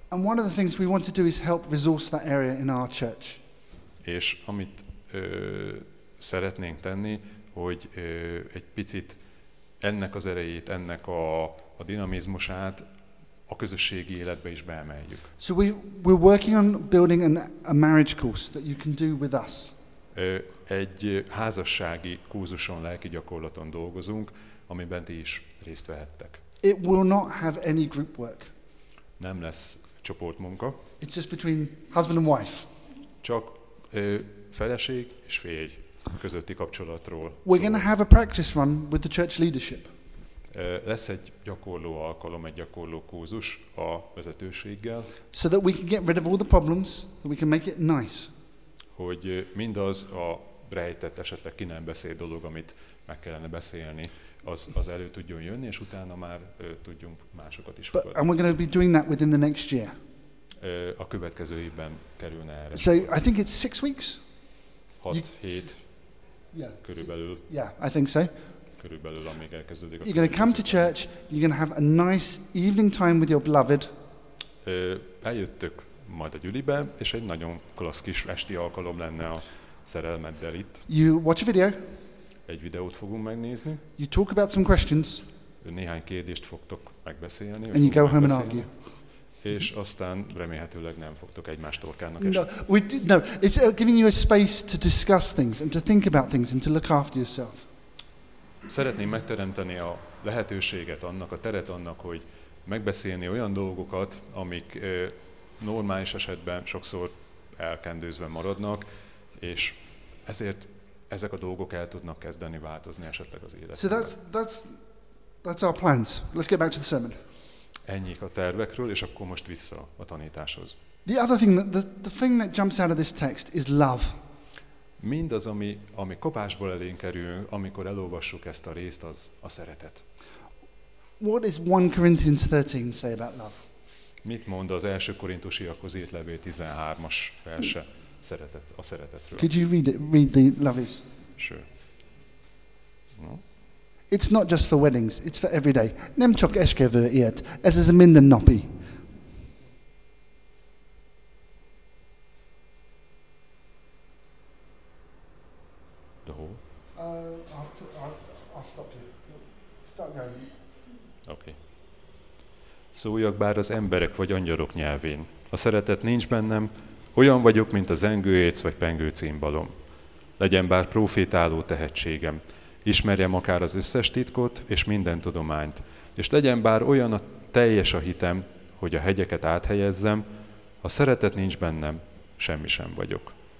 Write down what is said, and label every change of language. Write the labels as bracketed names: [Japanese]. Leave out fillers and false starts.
[English] And one of the things we want to do is help resource that area in our church. [Hungarian] És amit szeretnénk tenni, hogy egy picit ennek az erejét, ennek a dinamizmusát a közösségi életbe is beemeljük. [English] So we're working on building a marriage course that you can do with us. [Hungarian] Egy házassági kurzuson, lelki gyakorlaton dolgozunk, amiben ti is részt vehettek. [English] It will not have any group work. [Hungarian] Nem lesz csoportmunka. [English] It's just between husband and wife. [Hungarian] Csak feleség és férj közötti kapcsolatról. [English] We're going to have a practice run with the church leadership. [Hungarian] Lesz egy gyakorló alkalom, egy gyakorló kurzus a vezetőséggel. [English] So that we can get rid of all the problems, that we can make it nice. [Hungarian] Hogy mindaz a rejtett, esetleg ki nem beszél dolog, amit meg kellene beszélni, az elő tudjon jönni, és utána már tudjunk másokat is fogadni. [English] And we're going to be doing that within the next year. [Hungarian] A következő évben kerülne erre. [English] So I think it's 6 weeks. [Hungarian] 6-7. Yeah. Körülbelül. [English] Yeah, I think so. [Hungarian] Körülbelül, amíg elkezdődik. [English] You're going to come to church, you're going to have a nice evening time with your beloved. [Hungarian] Eljöttök majd a gyülibe, és egy nagyon klassz kis esti alkalom lenne a szerelmeddel itt. [English] You watch a video. [Hungarian] Egy videót fogunk megnézni. [English] You talk about some questions. [Hungarian] Néhány kérdést fogtok megbeszélni. [English] And you go home and argue. [Hungarian] És aztán remélhetőleg nem fogtok egymást torkának esni. [English] No, it's giving you a space to discuss things and to think about things and to look after yourself. [Hungarian] Szeretném megteremteni a lehetőséget, annak a teret annak, hogy megbeszélni olyan dolgokat, amik normális esetben sokszor elkendőzve maradnak, és ezért ezek a dolgok el tudnak kezdeni változni esetleg az életben. [English] So that's our plans. Let's get back to the sermon. [Hungarian] Ennyik a tervekről, és akkor most vissza a tanításhoz. [English] The other thing, the thing that jumps out of this text is love. [Hungarian] Mindaz, ami kapásból elénk kerül, amikor elolvassuk ezt a részt, az a szeretet. [English] What does 1 Corinthians 13 say about love? [Hungarian] Mit mond az 1. Korintusiakhoz írt levél 13-as verse szeretet, a szeretetről? [English] Could you read the love is? Sure. It's not just for weddings, it's for every day. [Hungarian] Nem csak esküvőért, ez az a mindennapi. [English] The whole? I'll stop you. Start going. [Hungarian] szóljak bár az emberek vagy angyalok nyelvén. A szeretet nincs bennem, olyan vagyok, mint a zengőjéc vagy pengő címbalom. Legyen bár profétáló tehetségem, ismerjem akár az összes titkot és minden tudományt, és legyen bár olyan a teljes a hitem, hogy a hegyeket áthelyezzem, a szeretet nincs bennem, semmi sem vagyok.